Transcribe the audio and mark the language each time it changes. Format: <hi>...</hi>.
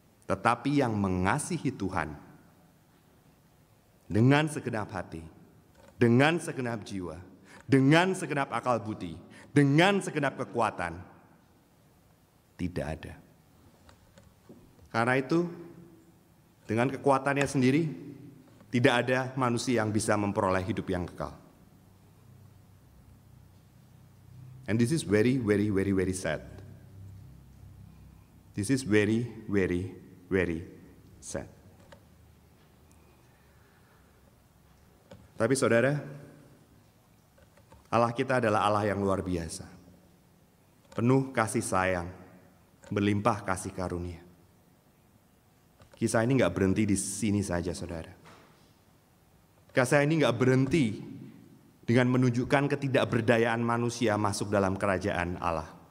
<id>Tetapi yang mengasihi Tuhan dengan segenap hati, dengan segenap jiwa, dengan segenap akal budi, dengan segenap kekuatan, tidak ada. Karena itu, dengan kekuatannya sendiri, tidak ada manusia yang bisa memperoleh hidup yang kekal.</id> <en>And this is very, very, very, very sad. This is very, very, very sad.</en> <id>Tapi saudara, Allah kita adalah Allah yang luar biasa. Penuh kasih sayang, berlimpah kasih karunia. Kisah ini gak berhenti di sini saja, saudara. Kisah ini gak berhenti dengan menunjukkan ketidakberdayaan manusia masuk dalam kerajaan Allah.</id>